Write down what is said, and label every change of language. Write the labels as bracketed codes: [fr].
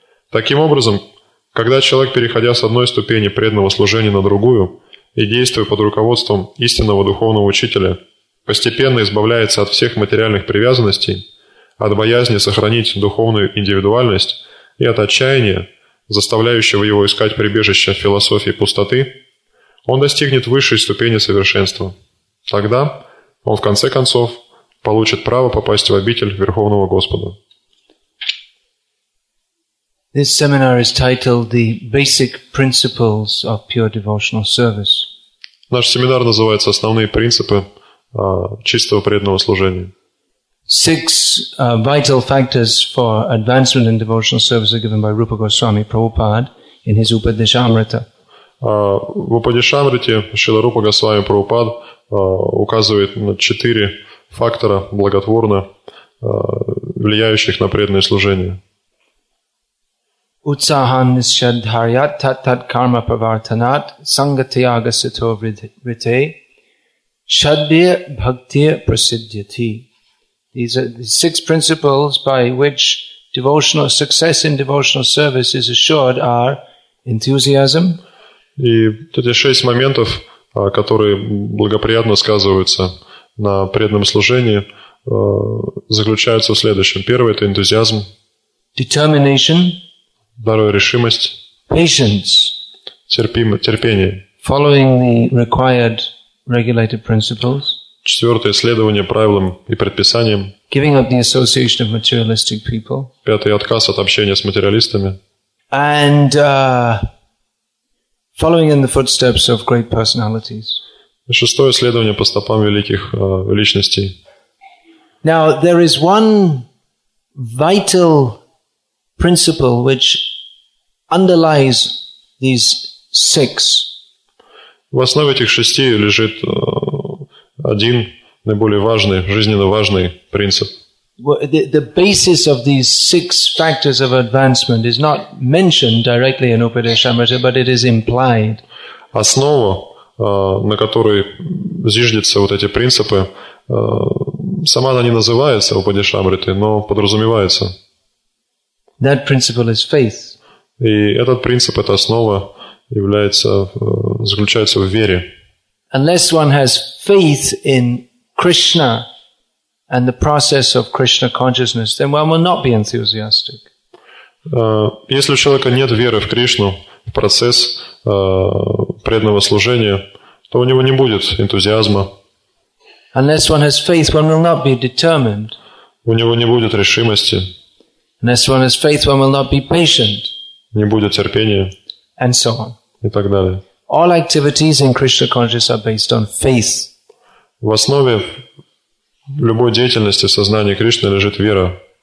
[ru] Таким образом, когда человек, переходя с одной ступени преданного служения на другую и действуя под руководством истинного духовного учителя, постепенно избавляется от всех материальных привязанностей, от боязни сохранить духовную индивидуальность и от отчаяния, заставляющего его искать прибежище в философии пустоты, он достигнет высшей ступени совершенства. Тогда он в конце концов получит право попасть в обитель Верховного Господа. [en] This seminar is titled "The Basic Principles of Pure Devotional Service". [ru] Наш семинар называется «Основные принципы чистого преданного служения». [en] Six vital factors for advancement in devotional service are given by Rupa Goswami Prabhupada in his Upadeshamrita. [ru] В Упадешамрите Шрила Рупа Госвами Прабхупад указывает на четыре фактора, благотворно влияющих на преданное служение. [sa] Utsahan nishadharyat tat tat karma pravartanat sangatyaga sito vritte shadbir bhaktir prasidyati. [en] These are the six principles by which devotional success in devotional service is assured are enthusiasm. [ru] И эти шесть моментов, которые благоприятно сказываются на преданном служении, заключаются в следующем. Первое – это энтузиазм. [en] Determination. [ru] Здоровая решимость. [en] Patience. [ru] Терпение. [en] Following the required regulated principles. [ru] Четвертое – следование правилам и предписаниям. [en] Giving up the association of materialistic people. [ru] Пятое – отказ от общения с материалистами. [en] And following in the footsteps of great personalities. [ru] Шестое – следование по стопам великих личностей. [en] Now, there is one vital principle which underlies these six. [ru] В основе этих шести лежит один наиболее важный, жизненно важный принцип. [en] The basis of these six factors of advancement is not mentioned directly in Upadeshamrita, but it is implied. [ru] Основа, на которой зиждятся вот эти принципы, сама она не называется Упадешамриты, но подразумевается. [en] That principle is faith. [ru] И этот принцип, эта основа, является, заключается в вере. [en] Unless one has faith in Krishna and the process of Krishna consciousness, then one will not be enthusiastic. [ru] Если у человека нет веры в Кришну, в процесс преданного служения, то у него не будет энтузиазма. [en] Unless one has faith, one will not be determined. [ru] У него не будет решимости. [en] Unless one has faith, one will not be patient. [ru] Не будет терпения. [en] And so on. [ru] И так далее. [en] All activities in Krishna consciousness are based on faith. [ru] В основе любой деятельности в сознании Кришны лежит вера.